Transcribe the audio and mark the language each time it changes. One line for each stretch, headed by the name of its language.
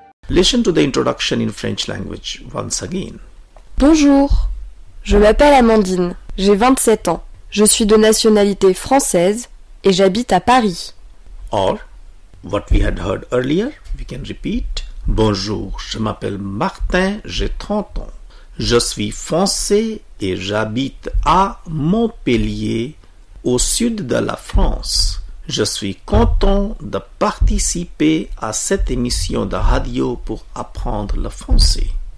English: Listen to the introduction in French language once again.
French: Bonjour, je m'appelle Amandine, j'ai 27 ans. Je suis de nationalité française et j'habite à Paris.
English: Or, what we had heard earlier, we can repeat.
French: Bonjour, je m'appelle Martin, j'ai 30 ans. Je suis français et j'habite à Montpellier, au sud de la France. Je suis content de participer à cette émission de radio pour apprendre le français.